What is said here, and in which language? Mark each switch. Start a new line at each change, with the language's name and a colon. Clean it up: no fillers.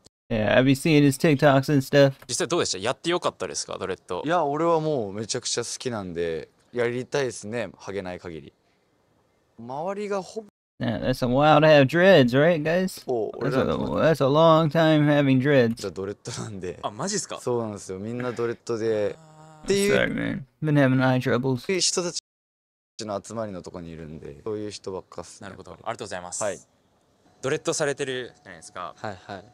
English: Yeah, I've been seeing his TikToks and stuff。
Japanese: 実際どうでした？やってよかったですか、ドレッド？いや、俺はもうめちゃくちゃ好きなんで、やりたいですね、ハゲない限り。周りがほぼ。
English: Yeah, that's a while to have dreads, right, guys? That's a long time having dreads.
Japanese: じゃあドレッドなんで。あ、マジっすか? そうなんですよ。みんなドレッドで。
English: Sorry, man. Been having eye troubles.
Japanese: 人たちの集まりのとこにいるんで、そういう人ばっかっす。なるほど。ありがとうございます。はい。ドレッドされてるじゃないですか。はいはい。